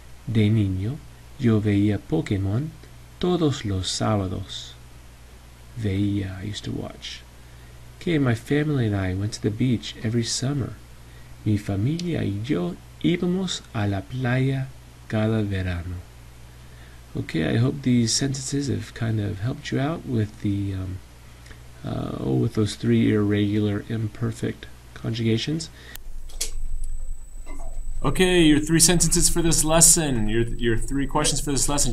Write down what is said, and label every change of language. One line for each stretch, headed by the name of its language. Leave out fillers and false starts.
Spanish: De niño, yo veía Pokemon todos los sábados.
English: Veía, I used to watch. Okay, my family and I went to the beach every summer.
Spanish: Mi familia y yo íbamos a la playa cada verano.
English: Okay, I hope these sentences have kind of helped you out with the with those three irregular imperfect conjugations. Okay, your three sentences for this lesson, your three questions for this lesson.